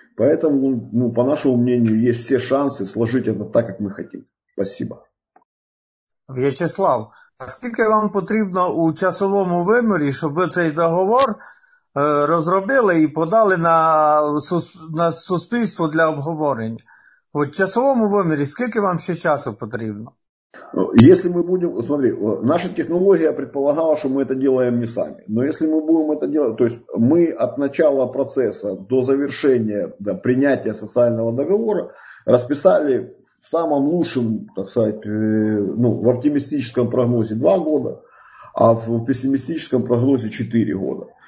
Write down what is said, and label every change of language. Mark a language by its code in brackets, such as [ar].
[ru] Поэтому, ну, по нашему мнению, есть все шансы сложить это так, как мы хотим. Спасибо. [uk] Вячеслав, а скільки вам потрібно у часовому вимірі, щоб ви цей договор розробили і подали на суспільство для обговорення? От в часовому вимірі скільки вам ще часу потрібно? [ru] Если мы будем, смотри, наша технология предполагала, что мы это делаем не сами. Но если мы будем это делать, то есть мы от начала процесса до завершения, до принятия социального договора расписали в самом лучшем, так сказать, ну, в оптимистическом прогнозе 2 года, а в пессимистическом прогнозе 4 года.